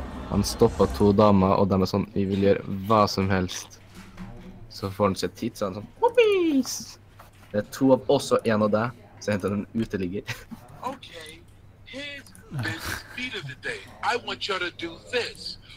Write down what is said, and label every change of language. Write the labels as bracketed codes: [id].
[no] Han stopper to damer, og de er sånn, vi vil gjøre hva som helst. Så får han seg tid, så han sånn, whoopies! Det er to av oss og en av deg, så henter han en uteligger. [en] Okay, here's the speed of the day. I want you to do this.